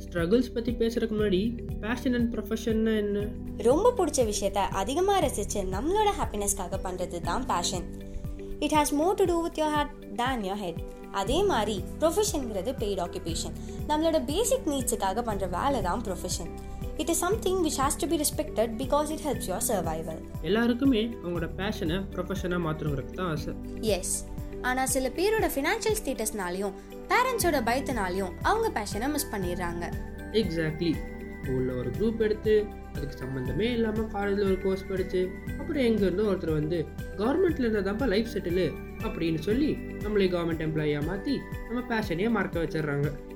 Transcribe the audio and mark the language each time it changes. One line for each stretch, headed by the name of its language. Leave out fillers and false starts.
Tamil: Struggles பத்தி பேசுறதுக்கு முன்னாடி பேஷன் அண்ட் ப்ரொஃபஷன் என்ன? ரொம்ப பிடிச்ச விஷயத்தை அதிகமா ரசிச்சு நம்மளோட ஹாப்பினஸ்க்காக பண்றது தான் fashion.
English: It has more to do with your heart than your head.
Tamil: அதே மாதிரி ப்ரொஃபஷன்ங்கிறது பெய்ட் ஆக்குபேஷன், நம்மளோட பேசிக் நீட்ஸுக்காக பண்ற வேலை தான் profession.
English: It is something which has to be respected because it helps your survival.
Tamil: எல்லாருக்கும் அவங்களோட பேஷனை ப்ரொஃபஷனா மாத்துறதுக்கு தான் ஆசை.
English: Yes.
Tamil: ஆனா சில பேரோட financial statusனாலயும் parentsோட பயத்தினாலயும் அவங்க பேஷனை மிஸ் பண்ணிடுறாங்க.
English: Exactly.
Tamil: ஊர்ல ஒரு குரூப் எடுத்து அதுக்கு சம்பந்தமே இல்லாம காலேஜ்ல ஒரு கோர்ஸ் படிச்சு அப்புறம் எங்க இருந்தோ ஒருத்தர் வந்து கவர்மெண்ட்ல இருந்தாதான் லைஃப் செட்டில் அப்படின்னு சொல்லி நம்மளை கவர்மெண்ட் எம்ப்ளாயியா மாத்தி நம்ம பேஷனையே மறக்க வச்சிடறாங்க.